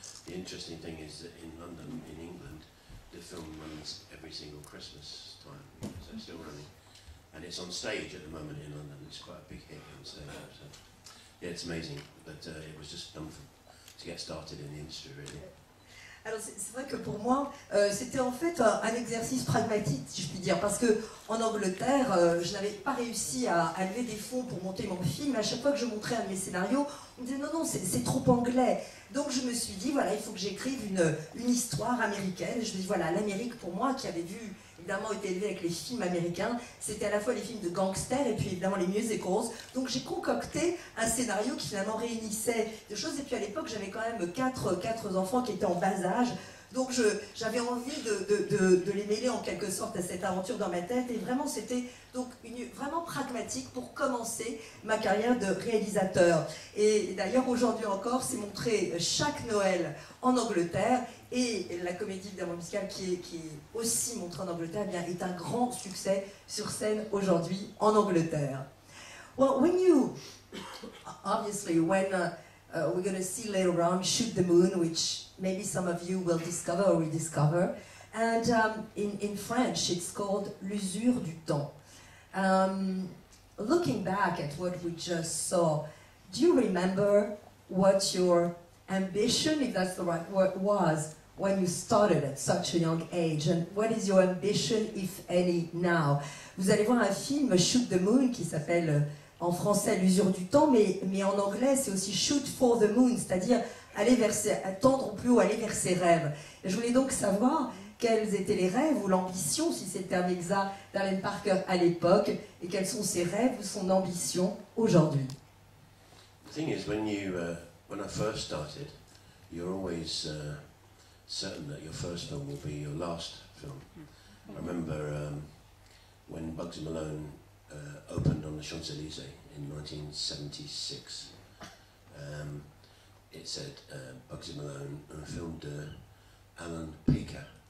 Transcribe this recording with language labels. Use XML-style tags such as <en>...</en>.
<en>The interesting thing is that in London, in England, the film runs every single Christmas time, so it's still running, and it's on stage at the moment in London. It's quite a big hit on stage, so yeah, it's amazing. But it was just fun to get started in the industry, really.</en> <fr>Alors c'est vrai que pour moi, c'était en fait un exercice pragmatique, si je puis dire, parce qu'en Angleterre, je n'avais pas réussi à lever des fonds pour monter mon film. À chaque fois que je montrais un de mes scénarios, on me disait non, c'est trop anglais. Donc je me suis dit, voilà, il faut que j'écrive une histoire américaine. Je me dis, voilà, l'Amérique pour moi, qui avait vu, évidemment, été élevé avec les films américains, c'était à la fois les films de gangsters et puis évidemment les musicals. Donc j'ai concocté un scénario qui finalement réunissait des choses. Et puis à l'époque, j'avais quand même quatre enfants qui étaient en bas âge. Donc j'avais envie de les mêler en quelque sorte à cette aventure dans ma tête. Et vraiment, c'était donc vraiment pragmatique pour commencer ma carrière de réalisateur. Et d'ailleurs, aujourd'hui encore, c'est montré chaque Noël en Angleterre. Et la comédie évidemment musicale qui est aussi montrée en Angleterre, eh bien, est un grand succès sur scène aujourd'hui en Angleterre.</fr> <en>Well, when you, obviously, when we're going to see later on Shoot the Moon, which maybe some of you will discover or rediscover, and in French it's called L'usure du temps. Looking back at what we just saw, do you remember what your ambition, if that's the right word, was when you started at such a young age, and what is your ambition, if any, now?</en> <fr>Vous allez voir un film, Shoot the Moon, qui s'appelle en français L'usure du temps, mais en anglais c'est aussi Shoot for the Moon, c'est-à-dire attendre au plus haut, aller vers ses rêves. Et je voulais donc savoir quels étaient les rêves ou l'ambition, si c'était un exa d'Alan Parker à l'époque, et quels sont ses rêves ou son ambition aujourd'hui.</fr> <en>The thing is, when I first started, you're always certain that your first film will be your last film. I remember when Bugsy Malone opened on the Champs-Élysées in 1976, it said Bugsy Malone,</en> <fr>un film de Alan Parker.</fr>